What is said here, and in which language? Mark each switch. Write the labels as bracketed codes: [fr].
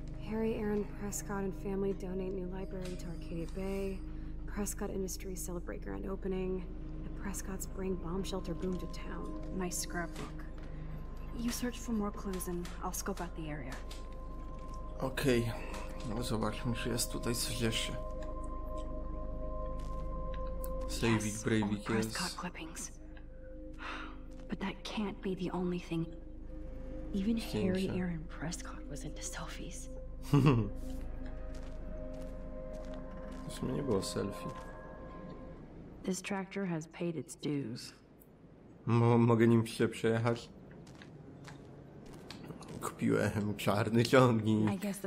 [en] Harry, Aaron, Prescott and family donate new library to Arcadia Bay. Prescott Industries celebrate grand opening. The Prescotts bring bomb shelter boom to town. Nice scrapbook. You search for more clues and I'll scope out the area. Okej. Okay. [pl] No zobaczmy, czy jest tutaj coś jeszcze. [en] Saving Bravey Kids. Prescott clippings. But that can't be the only thing. Even Harry, Aaron, Prescott was into selfies. [pl] W sumie nie było selfie. [en] This tractor has paid its dues. [pl] Mogę nim się przejechać? Kupiłem czarny ciągnik.